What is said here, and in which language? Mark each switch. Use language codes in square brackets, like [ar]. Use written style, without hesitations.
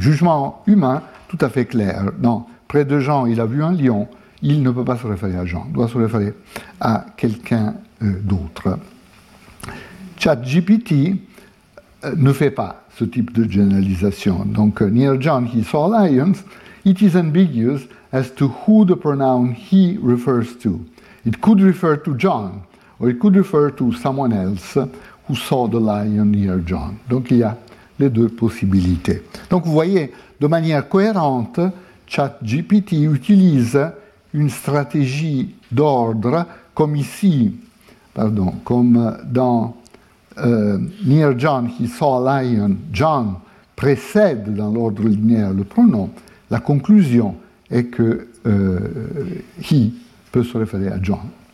[fr] Jugement humain, tout à fait clair. Non, près de Jean, il a vu un lion, il ne peut pas se référer à Jean, il doit se référer à quelqu'un d'autre. ChatGPT ne fait pas ce type de généralisation. Donc, [en] near John, he saw lions. It is ambiguous as to who the pronoun he refers to. It could refer to John, or it could refer to someone else who saw the lion near John. [fr] Donc, il y a les deux possibilités. Donc, vous voyez, de manière cohérente, ChatGPT utilise une stratégie d'ordre, comme ici, pardon, comme dans [en] Near John, he saw a lion, [fr] John précède dans l'ordre linéaire le pronom, la conclusion est que he peut se référer à John.